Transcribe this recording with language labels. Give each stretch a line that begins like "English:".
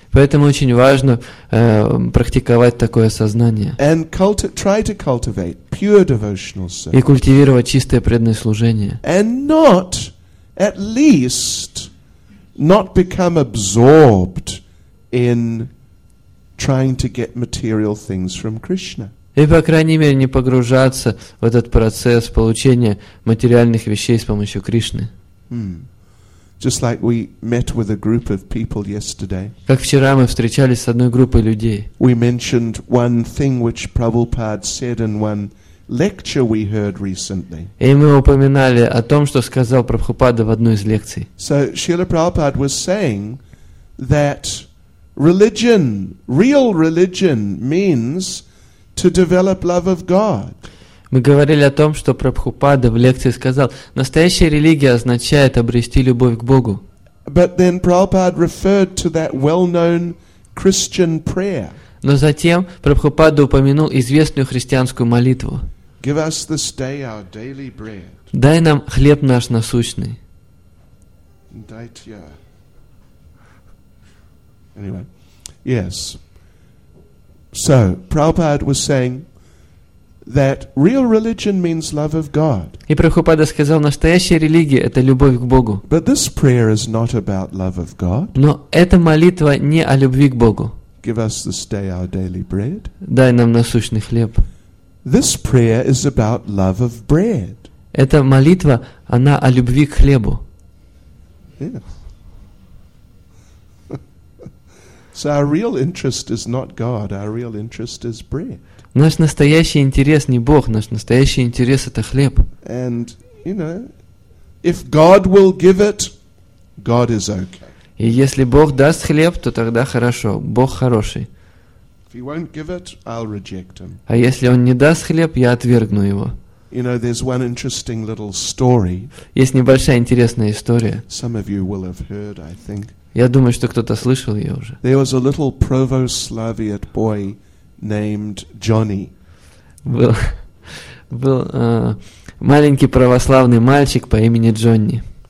Russian: Поэтому очень важно практиковать такое сознание.
English: And try to cultivate pure devotional service.
Russian: И культивировать чистое преданное служение.
English: And not, at least, not become absorbed in trying to get material things from Krishna.
Russian: И, по крайней мере, не погружаться в этот процесс получения материальных вещей с помощью Кришны.
English: Just like we met with a group of people yesterday.
Russian: Как вчера мы встречались с одной группой людей.
English: We mentioned one thing which Prabhupada said in one lecture we heard recently.
Russian: И мы упоминали о том, что сказал Прабхупада в одной из лекций.
English: So Srila Prabhupada was saying that religion, real religion, means to develop love of God.
Russian: Мы говорили о том, что Прабхупада в лекции сказал, настоящая религия означает обрести любовь к Богу.
English: But then Prabhupada referred to that well-known Christian prayer.
Russian: Но затем Прабхупада упомянул известную христианскую молитву.
English: Give us this day our daily bread.
Russian: Дай нам хлеб наш насущный. Дайте.
English: Anyway. Yes. So, Prabhupada was saying that real religion means love of God.
Russian: И Прабхупада сказал, настоящая религия – это любовь к Богу.
English: But this prayer is not about love of God.
Russian: Но эта молитва не о любви к Богу.
English: Give us this day our daily bread.
Russian: Дай нам насущный хлеб.
English: This prayer is about love of bread.
Russian: Эта молитва, она о любви к хлебу.
English: So our real interest is not God, our real interest is bread.
Russian: Наш настоящий интерес не Бог, наш настоящий интерес это хлеб.
English: And you know, if God will give it, God is okay.
Russian: И если Бог даст хлеб, то тогда хорошо. Бог хороший.
English: If he won't give it, I'll reject him.
Russian: А если он не даст хлеб, я отвергну его.
English: You know, there's one interesting little story.
Russian: Есть небольшая интересная история.
English: Some of you will have heard, I think.
Russian: Я думаю, что кто-то слышал ее уже.
English: There was a little Provo-Slaviat boy named Johnny.
Russian: Был маленький православный мальчик по имени Джонни.